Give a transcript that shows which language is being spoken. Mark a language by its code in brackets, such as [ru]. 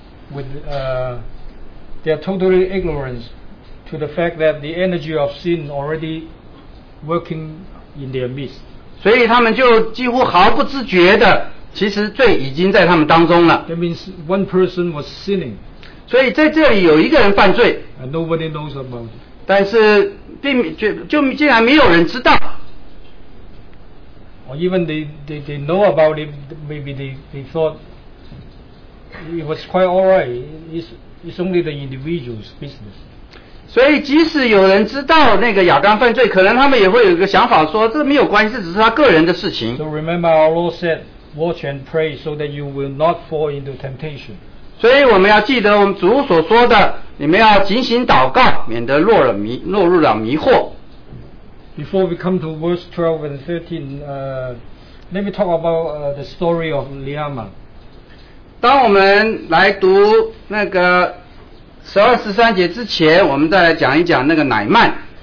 [en] They're totally ignorant to the fact that the energy of sin already working in their midst. [zh] 所以他们就几乎毫不自觉的，其实罪已经在他们当中了。 [en] That means one person was sinning. [zh] 所以在这里有一个人犯罪。 [en] And nobody knows about it. [zh] 但是并竟然没有人知道。 [en] Or even they know about it, maybe they thought it was quite all right. It's only the individual's business. [zh] 所以即使有人知道那个亚当犯罪，可能他们也会有一个想法说，这没有关系，这只是他个人的事情。 [en] So remember our Lord said, watch and pray so that you will not fall into temptation. [zh] 所以我们要记得我们主所说的，你们要警醒祷告，免得落入了迷惑。 [en] Before we come to verse 12 and 13, let me talk about the story of Leung. [zh] 当我们来读那个十二十三节之前，我们再来讲一讲那个乃曼。